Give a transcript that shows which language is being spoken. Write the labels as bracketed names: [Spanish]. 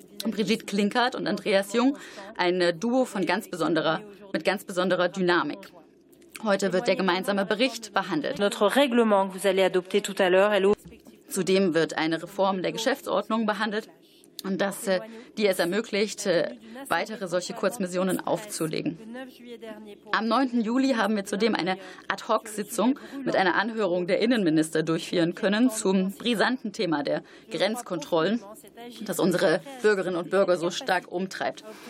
[German] Brigitte Klinkert und Andreas Jung, ein Duo von mit ganz besonderer Dynamik. Heute wird der gemeinsame Bericht behandelt. [French] Notre règlement que vous allez adopter tout à l'heure. [German] Zudem wird eine Reform der Geschäftsordnung behandelt, und das, die es ermöglicht, weitere solche Kurzmissionen aufzulegen. Am 9. Juli haben wir zudem eine Ad-hoc-Sitzung mit einer Anhörung der Innenminister durchführen können zum brisanten Thema der Grenzkontrollen, das unsere Bürgerinnen und Bürger so stark umtreibt.